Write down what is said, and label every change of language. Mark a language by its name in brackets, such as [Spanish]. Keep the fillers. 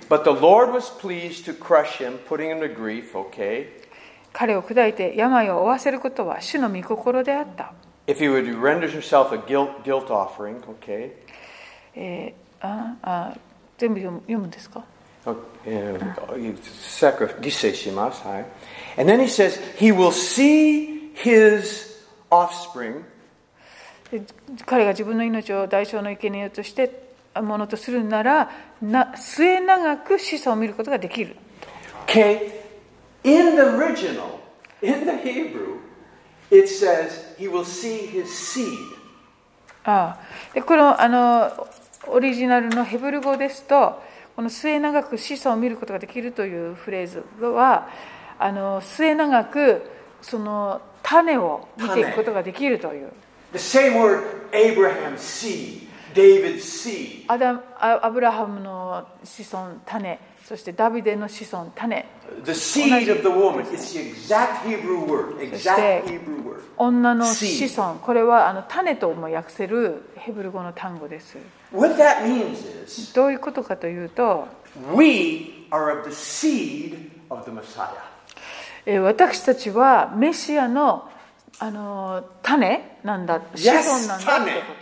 [English] But the Lord was pleased to crush him, putting him to grief. Okay. [Japanese] 彼を砕いて病を負わせることは主の御心であった。 [English] Guilt, guilt offering, okay. [Japanese] えー、ああ全部読む,読むんですか [English] okay,、uh, sacrifice [Japanese] します。はい。 [English] And then he says, he will see his offspring. [Japanese] 彼が自分の命を代償の生贄としてものとするなら、な末永く子孫を見ることができる。 [English] o、okay. k In the original, in the Hebrew, it says he will see his seed. [Japanese] ああでこのあのオリジナルのヘブル語ですと、この末永く子孫を見ることができるというフレーズは、あの末永くその種を見ていくことができるという。 [English] The same word Abraham, seed, David, seed. [Japanese] アダムア,アブラハムの子孫種そしてダビデの子孫種 [English] The seed of the woman is the exact Hebrew word. Exact Hebrew word. [Japanese] 女の子孫これはあの種とも訳せるヘブル語の単語です。 [English] What that means is, [Japanese] どういうことかというと [English] We are of the seed of the Messiah. [Japanese] 私たちはメシアの子孫あの種なんだ、yes, 子孫なんだ